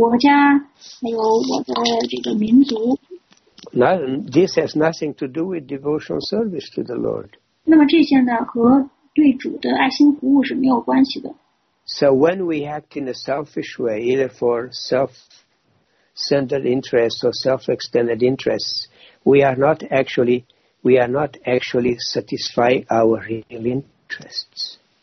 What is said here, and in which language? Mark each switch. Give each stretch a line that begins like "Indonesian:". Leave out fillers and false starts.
Chinese: 工作呢是我的家人，然后我的国，就是我的国家，还有我的这个民族。
English: This has nothing to do with devotional service to the Lord.
Chinese: 那么这些呢，和对主的爱心服务是没有关系的。
English: So when we act in a selfish way, either for self-centered interests or self-extended interests, we are not actually satisfying our real interests.